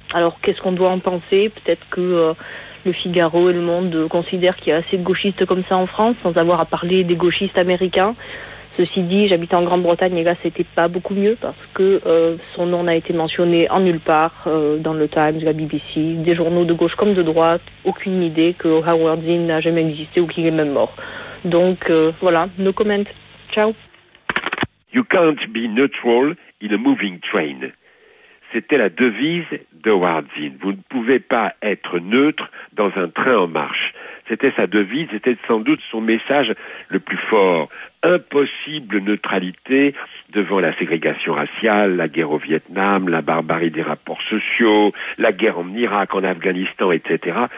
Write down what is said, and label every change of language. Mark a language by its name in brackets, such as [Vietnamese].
[French] Alors, qu'est-ce qu'on doit en penser? Peut-être que le Figaro et le Monde considèrent qu'il y a assez de gauchistes comme ça en France, sans avoir à parler des gauchistes américains. Ceci dit, j'habitais en Grande-Bretagne, et là, c'était pas beaucoup mieux, parce que son nom n'a été mentionné en nulle part, dans le Times, la BBC, des journaux de gauche comme de droite, aucune idée que Howard Dean n'a jamais existé ou qu'il est même mort. Donc, voilà, [English] no comment. [French] Ciao. [English] You can't be neutral in a moving train. [French] C'était la devise de Howard Dean. Vous ne pouvez pas être neutre dans un train en marche. C'était sa devise, c'était sans doute son message le plus fort. Impossible neutralité devant la ségrégation raciale, la guerre au Vietnam, la barbarie des rapports sociaux, la guerre en Irak, en Afghanistan, etc.